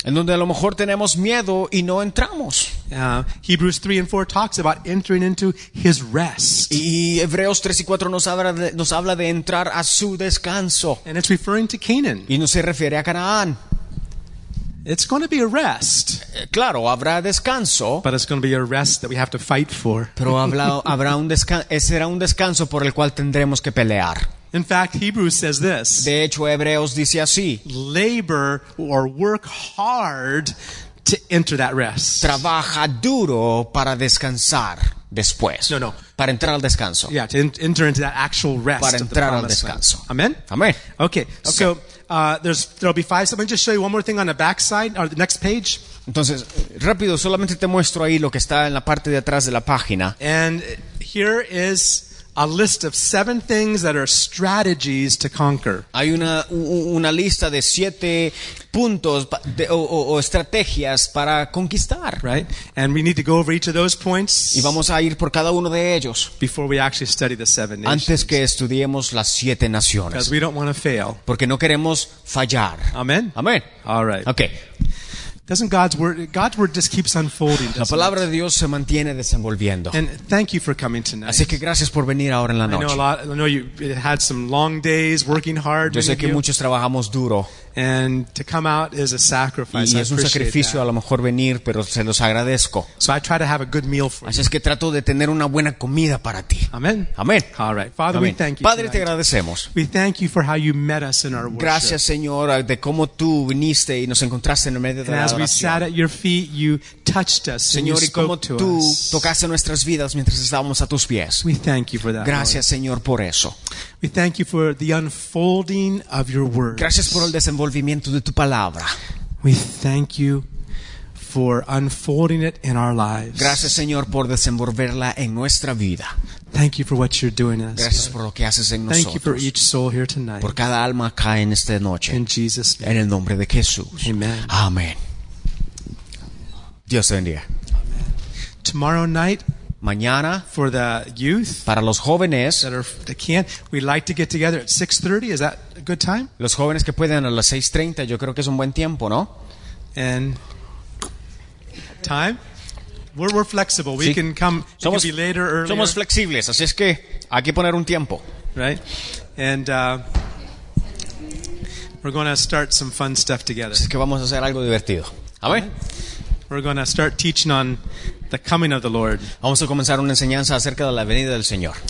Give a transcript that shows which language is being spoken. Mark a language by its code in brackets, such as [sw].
[es] En donde a lo mejor tenemos miedo y no entramos. [en] Hebrews 3 and 4 talks about entering into his rest. [es] Y Hebreos 3 y 4 nos habla de entrar a su descanso. [en] And it's referring to Canaan. [es] Y no se refiere a Canaán. [en] It's going to be a rest. [es] Claro, habrá descanso. [en] But it's going to be a rest that we have to fight for. [es] Pero habrá un descanso, será un descanso por el cual tendremos que pelear. [en] In fact, Hebrews says this. [es] De hecho, Hebreos dice así. [en] Labor or work hard to enter that rest. [es] Trabaja duro para descansar después. [en] No. [es] Para entrar al descanso. [en] Yeah, to enter into that actual rest. [es] Para entrar al descanso. [en] Amen. [es] Amen. [en] Okay. So there'll be five. So let me just show you one more thing on the back side or the next page. [es] Entonces, rápido, solamente te muestro ahí lo que está en la parte de atrás de la página. [en] And here is a list of 7 things that are strategies to conquer. [es] Hay una lista de 7 puntos o estrategias para conquistar. [en] Right? And we need to go over each of those points. [es] Y vamos a ir por cada uno de ellos. [en] Before we actually study the 7 nations. [es] Antes que estudiemos las 7 naciones. [en] Because we don't want to fail. [es] Porque no queremos fallar. [en] Amen. [es] Amen. [en] All right. [es] Okay. [en] Doesn't God's word just keeps unfolding? [es] La palabra de Dios se mantiene desenvolviendo. [en] And thank you for coming tonight. [es] Así que gracias por venir ahora en la noche. [en] I know you had some long days working hard. [es] Yo sé que muchos trabajamos duro. [en] And to come out is a sacrifice. [es] Y es un sacrificio [en] that. [es] A lo mejor venir, pero se los agradezco. [en] So I try to have a good meal for [es] así [en] you. [es] Así es que trato de tener una buena comida para ti. [en] Amen. [es] Amen. [en] All right, Father, [es] amen. [en] We thank you. [es] Padre, [en] tonight. [es] Te agradecemos. [en] We thank you for how you met us in our worship. [es] Gracias, Señor, de cómo tú viniste y nos encontraste en el medio de la [en] as we sat at your feet, you touched us, [es] Señor, [en] and you spoke to us. [es] Tú tocaste nuestras vidas mientras estábamos a tus pies. [en] We thank you for that. [es] Gracias, [en] Lord. [es] Señor, por eso. [en] We thank you for the unfolding of your word. [es] Gracias por el desenvolvimiento de tu palabra. [en] We thank you for unfolding it in our lives. [es] Gracias, Señor, por desenvolverla en nuestra vida. [en] Thank you for what you're doing us. [es] Gracias por lo que haces en [en] thank [es] nosotros. [en] Thank you for each soul here tonight. [es] Por cada alma acá en esta noche. [en] In Jesus' name. [es] En el nombre de Jesús. [en] Amen. [es] Amen. Dios bendiga. [en] Tomorrow night, [es] mañana, [en] for the youth, [es] para los jóvenes, [en] we like to get together at 6:30. Is that a good time? [es] Los jóvenes que pueden a las 6:30, yo creo que es un buen tiempo, ¿no? [en] And time, we're flexible. We [es] sí. [en] Can come. It [es] somos, [en] can be later, earlier. [es] Somos flexibles, así es que hay que poner un tiempo, [en] right? And we're going to start some fun stuff together. [es] Así es que vamos a hacer algo divertido. Amén. [en] We're going to start teaching on the coming of the Lord. [es] Vamos a comenzar una enseñanza acerca de la venida del Señor.